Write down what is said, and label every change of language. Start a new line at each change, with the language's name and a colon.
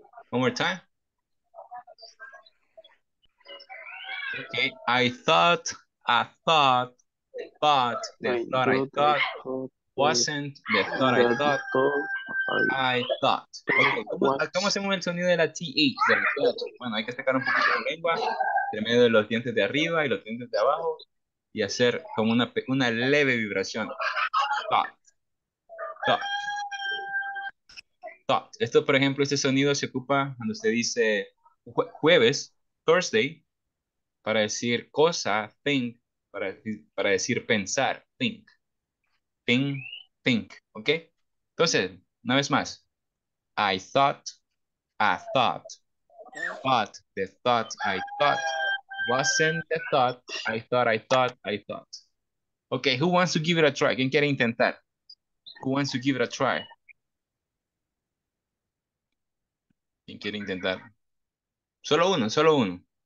English: One more time. Okay, I thought, but the thought I thought wasn't the thought I thought I thought.
Spanish: Okay, ¿cómo hacemos el sonido de la TH? De la TH. Bueno, hay que sacar un poquito de lengua entre medio de los dientes de arriba y los dientes de abajo y hacer como una leve vibración. Thought. Thought. Thought. Esto, por ejemplo, este sonido se ocupa cuando usted dice jueves, Thursday, para decir cosa, thing. Para decir pensar,
English: think, think, think, ok,
Spanish: entonces, una vez más,
English: I thought, but the thought I thought wasn't the thought, I thought, I thought, I thought, ok, who wants to give it a try,
Spanish: quien quiere intentar,
English: who wants to give it a try, quien quiere intentar,
Spanish: solo uno, solo uno,